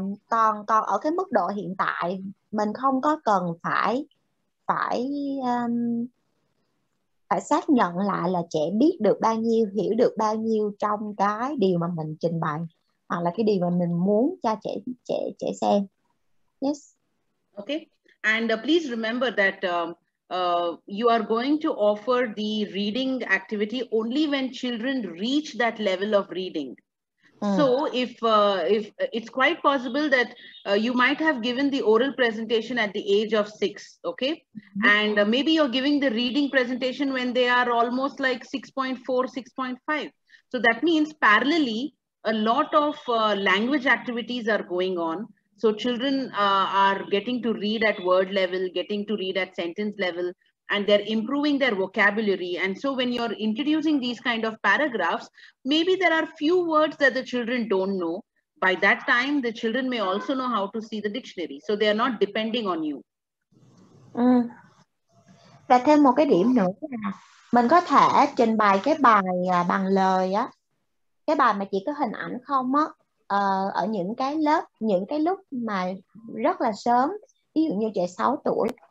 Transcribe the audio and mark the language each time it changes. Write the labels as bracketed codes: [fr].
[vi] Còn ở cái mức độ hiện tại, mình không có cần phải phải phải xác nhận lại là trẻ biết được bao nhiêu, hiểu được bao nhiêu trong cái điều mà mình trình bày hoặc là cái điều mà mình muốn cho trẻ trẻ trẻ xem. [en] Yes. Okay. And please remember that you are going to offer the reading activity only when children reach that level of reading. So if it's quite possible that you might have given the oral presentation at the age of 6, okay? And maybe you're giving the reading presentation when they are almost like 6.4, 6.5. So that means parallelly, a lot of language activities are going on. So children are getting to read at word level, getting to read at sentence level, and they're improving their vocabulary. And so when you're introducing these kind of paragraphs, maybe there are few words that the children don't know. By that time, the children may also know how to see the dictionary. So they are not depending on you. [vi] Và thêm một cái điểm nữa, mình có thể trình bày cái bài bằng lời á, cái bài mà chỉ có hình ảnh không á, ở những cái lớp, những cái lúc mà rất là sớm, ví dụ như trẻ 6 tuổi.